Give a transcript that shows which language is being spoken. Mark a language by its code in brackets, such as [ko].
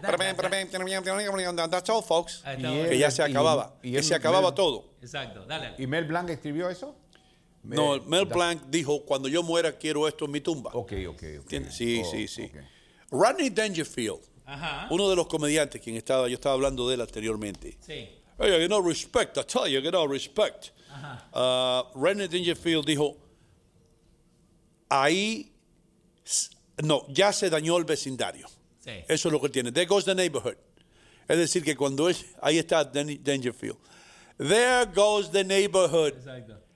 [en] That's all, folks. [es] Que ya se acababa. Que se acababa todo. Exacto. Dale. ¿Y Mel Blanc escribió eso? No, Mel Blanc dijo, cuando yo muera, quiero esto en mi tumba. Okay. Sí. Okay. Rodney Dangerfield, uno de los comediantes, quien estaba, yo estaba hablando de él anteriormente. Sí. [en] Hey, you know, respect, I tell you, get all respect. Ajá. [es] Rodney Dangerfield dijo, ahí, no, ya se dañó el vecindario. Sí. Eso es lo que tiene. [en] There goes the neighborhood. [es] Es decir, que cuando es, ahí está Dangerfield. [en] There goes the neighborhood. [es] Exacto.